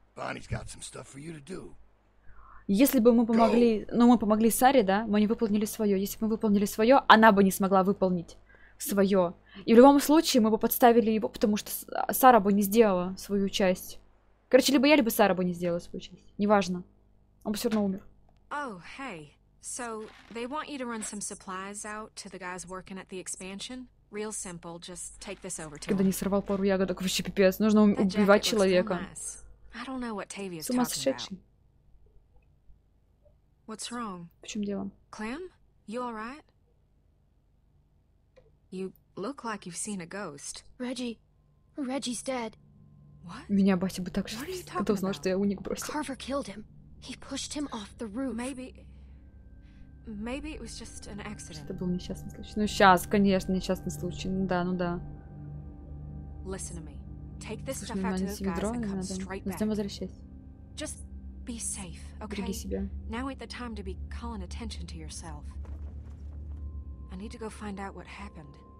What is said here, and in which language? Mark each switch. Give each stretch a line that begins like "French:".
English: Bonnie's got some stuff for you to do.
Russian: Если бы мы помогли, ну мы помогли Саре, да, мы не выполнили свое. Если бы мы выполнили свое, она бы не смогла выполнить свое. И в любом случае мы бы подставили его, потому что Сара бы не сделала свою часть. Короче, либо я, либо Сара бы не сделала свою часть. Неважно. Он бы все равно умер.
English: Oh, hey. So, they want you to run some supplies out to the guys working at the expansion? Real simple, just take this over to them.
Russian: Когда не сорвал пару ягодок, вообще пипец. Нужно убивать человека.
English: I don't know what Tavia's talking about. What's wrong?
Russian: В чем дело?
English: Clem? You all right? You look like you've seen a ghost. Reggie. Reggie's dead. What?
Russian: Меня Бася бы так же... Кто узнал, что я уник бросил?
English: Carver killed him. He pushed him off the roof. Maybe... Maybe it was just an accident.
Russian: Это был несчастный случай. Ну сейчас, конечно, несчастный случай. Ну да, ну да.
English: Listen to me. Take this stuff out to the guys and come straight back.
Russian: Затем возвращайся.
English: Just be safe, okay?
Russian: Береги себя.
English: Now ain't the time to be calling attention to yourself. I need to go find out what happened.